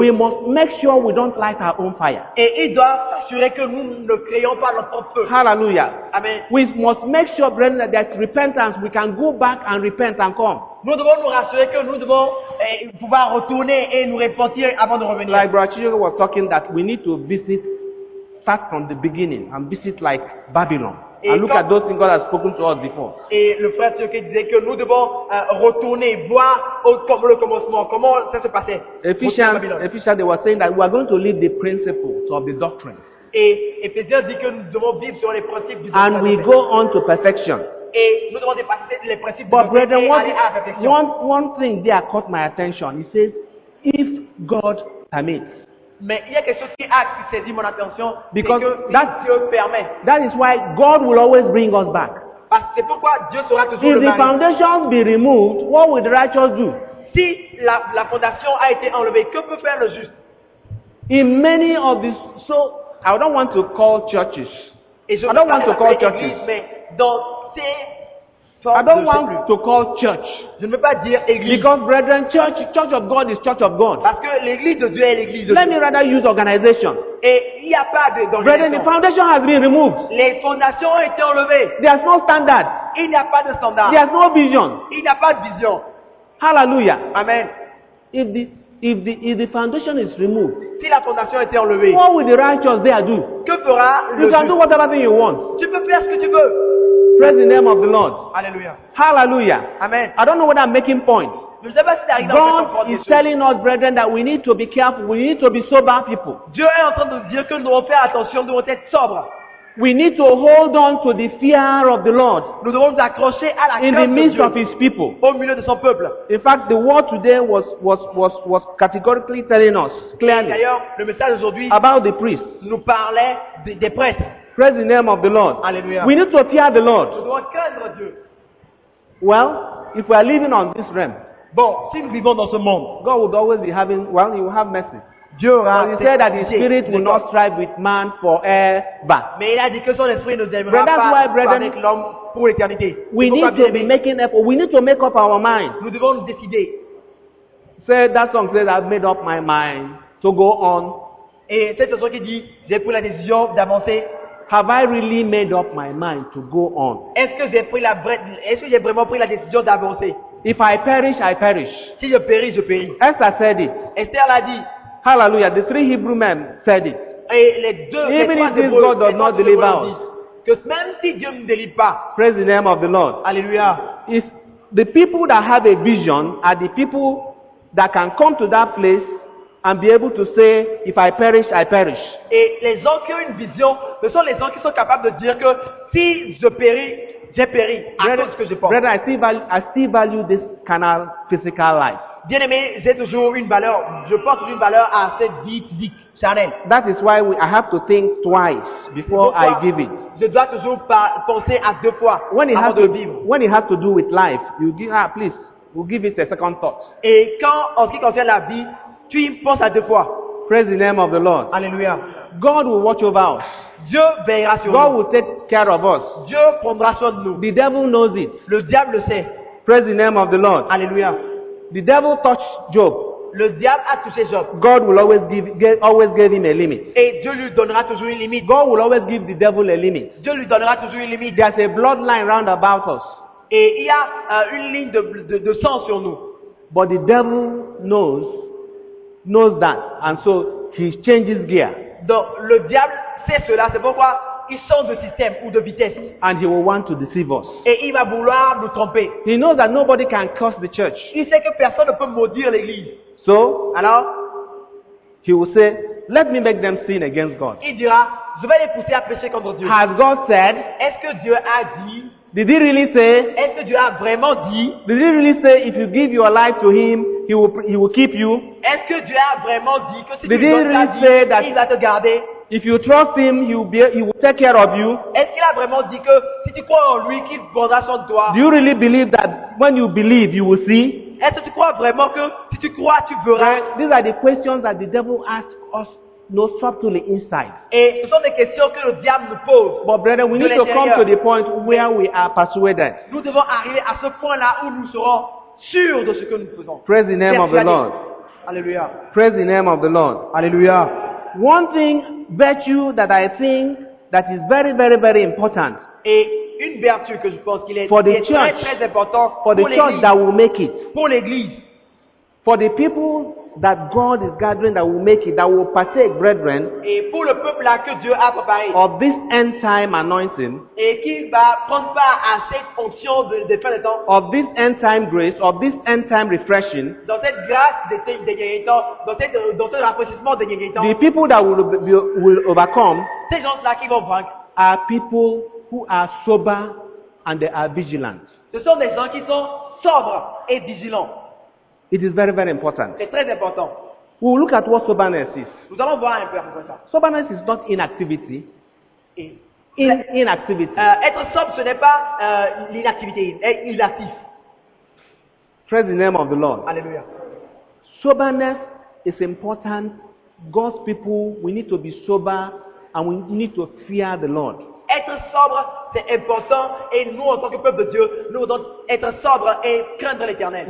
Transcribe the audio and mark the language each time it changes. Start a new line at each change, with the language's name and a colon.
English: We must make sure we don't light our own fire.
French: Et il doit s'assurer que nous ne créons pas notre propre feu.
English: Hallelujah. Amen. We must make sure, brethren, that there's repentance. We can go back and repent and come.
French: Nous devons nous rassurer que nous devons pouvoir retourner et nous repentir avant de revenir.
English: Like Brother Chiyoko was talking that we need to visit, start from the beginning and visit like Babylon.
French: Et
English: and look at those things God has spoken to us before.
French: Et le frère Chiyoko disait que nous devons retourner, voir comme le commencement, comment ça se passait.
English: Ephesians, they were saying that we are going to live the principles of the doctrine.
French: Et Ephesians dit que nous devons vivre sur les principes du doctrine.
English: And we go on to perfection.
French: Et nous devons dépasser les principes
English: but
French: de
English: brother, one thing there caught my attention. He says, if God permits.
French: Mais il y a quelque chose qui a saisi mon attention.
English: Because
French: c'est que Dieu permet.
English: That is why God will always bring us back.
French: Parce que c'est pourquoi Dieu sera toujours
English: if
French: le
English: if the foundations be removed, what would the righteous do?
French: Si la fondation a été enlevée, que peut faire le juste?
English: In many of these, so I don't want to call churches.
French: Et
English: I don't want to call churches.
French: C'est
English: I don't want to call church.
French: Je ne veux pas dire église.
English: Because brethren, church of God is church of God.
French: Parce que l'église de Dieu est l'église de Dieu.
English: Let me rather use organization.
French: Et il n'y a pas d'organisation.
English: Brethren, the foundation has been removed.
French: Les fondations ont été enlevées.
English: There is no standard.
French: Il n'y a pas de standard.
English: There is no vision.
French: Il n'y a pas de vision.
English: Hallelujah. Amen. If the foundation is removed,
French: si la fondation a été enlevée,
English: what will the righteous there do?
French: Que fera
English: you can do whatever thing you want.
French: Tu peux faire ce que tu veux.
English: Praise the name of the Lord. Hallelujah. Hallelujah. Amen. I don't know whether I'm making points. God is telling us, brethren, that we need to be careful. We need to be sober people.
French: Dieu est en train de dire que nous devons faire attention, nous devons être sobres.
English: We need to hold on to the fear of the Lord.
French: Nous devons nous accrocher à la crainte de Dieu.
English: In the midst of His people.
French: Au milieu de son peuple.
English: In fact, the word today was categorically telling us clearly.
French: D'ailleurs, le message aujourd'hui
English: about the priests.
French: Nous parlait des prêtres.
English: Praise the name of the Lord.
French: Alleluia.
English: We need to fear the Lord.
French: Dieu.
English: Well, if we are living on this realm,
French: bon, si nous vivons dans ce monde,
English: God would always be having, well, He will have mercy.
French: Dieu aura
English: he said that His Spirit will not strive with man forever.
French: Mais il a dit que son esprit ne aimera pas
English: that's why, brethren,
French: avec l'homme pour l'éternité.
English: We need to be making effort. We need to make up our mind.
French: Nous devons nous décider.
English: Say that song says, I've made up my mind. to go on?
French: Et cette personne qui dit, j'ai pris la décision d'avancer.
English: Have I really made up my mind to go on?
French: Est-ce que j'ai vraiment pris la décision d'avancer?
English: If I perish, I perish.
French: Si je péris, je péris.
English: Esther said it.
French: Esther l'a dit.
English: Hallelujah. The three Hebrew men said it.
French: Et les deux,
English: even
French: les
English: if this God does not deliver us,
French: que même si Dieu ne me délivre pas,
English: praise the name of the Lord.
French: Alléluia.
English: If the people that have a vision are the people that can come to that place and be able to say, if I perish, I perish.
French: Et les gens qui ont une vision, ce sont les gens qui sont capables de dire que si je péris, j'ai péri à
English: brother,
French: cause que je porte.
English: Brother, I still value this canal physical life.
French: Bien aimé, j'ai toujours une valeur. Je porte une valeur à cette vie charnelle.
English: That is why I have to think twice before
French: pourquoi
English: I give it.
French: Je dois toujours penser à deux fois
English: when
French: avant
English: has
French: de
English: to,
French: vivre.
English: When it has to do with life, you give please. We'll give it a second thought.
French: Et quand en ce qui concerne la vie, tu y penses à deux fois.
English: Praise the name of the Lord.
French: Alléluia.
English: God will watch over us.
French: Dieu veillera sur
English: God
French: nous.
English: God will take care of us.
French: Dieu prendra soin de nous.
English: The devil knows it.
French: Le diable le sait.
English: Praise the name of the Lord.
French: Alléluia.
English: The devil touched Job.
French: Le diable a touché Job.
English: God will always give him a limit.
French: Et Dieu lui donnera toujours une limite.
English: God will always give the devil a limit.
French: Dieu lui donnera toujours une limite.
English: There's a bloodline round about us.
French: Et il y a une ligne de sang sur nous.
English: But the devil knows that, and so he changes gear.
French: Donc le diable sait cela, c'est pourquoi il change de système ou de vitesse.
English: And he will want to deceive us.
French: Et il va vouloir nous tromper.
English: He knows that nobody can curse the church.
French: Il sait que personne ne peut maudire l'église.
English: So,
French: alors,
English: he will say, let me make them sin against God.
French: Il dira, je vais les pousser à pécher contre Dieu.
English: Has God said?
French: Est-ce que Dieu a dit?
English: Did he really say?
French: Est-ce que Dieu a vraiment dit?
English: Did he really say, if you give your life to him, he will keep you?
French: Est-ce que Dieu a vraiment dit que si
English: did
French: tu lui
English: really
French: donnes ta vie, il va te garder?
English: If you trust him, he will take care of you.
French: Est-ce qu'il a vraiment dit que si tu crois en lui, qu'il prendra soin de toi?
English: Do you really believe that when you believe, you will see?
French: Est-ce que tu crois vraiment que si tu crois, tu verras?
English: And these are the questions that the devil asks us. No subtly inside.
French: Et ce sont des questions que le diable nous pose.
English: But brethren, we need to come to the point where we are persuaded.
French: Nous devons arriver à ce point-là où nous serons sûrs de ce que nous faisons.
English: Praise the name of the Lord.
French: Alléluia.
English: Praise the name of the Lord.
French: Alléluia.
English: One thing virtue that I think that is very, very, very important.
French: Et une vertu que je pense qu'il est
English: for the church,
French: très, très important
English: for the church that will make it.
French: Pour l'église.
English: For the people that God is gathering that will make it, that will partake, brethren,
French: et pour le peuple là que Dieu a préparé,
English: of this end time anointing,
French: et qui va prendre part à cette onction de fin de temps,
English: of this end time grace, of this end time refreshing,
French: dans cette grâce des derniers temps, dans ce rafraîchissement des derniers temps,
English: the people that will overcome,
French: ces gens là qui vont vaincre,
English: are people who are sober and they are vigilant.
French: Ce sont des gens qui sont sobres et vigilants.
English: It is very, very important.
French: C'est très important.
English: We will look at what soberness is.
French: Nous allons voir un peu à propos de ça.
English: Soberness is not inactivity. Inactivity.
French: Être sobre, ce n'est pas l'inactivité. Inactif.
English: Praise the name of the Lord.
French: Alléluia.
English: Soberness is important. God's people, we need to be sober and we need to fear the Lord.
French: Être sobre, c'est important, et nous, en tant que peuple de Dieu, nous devons être sobres et craindre l'Éternel.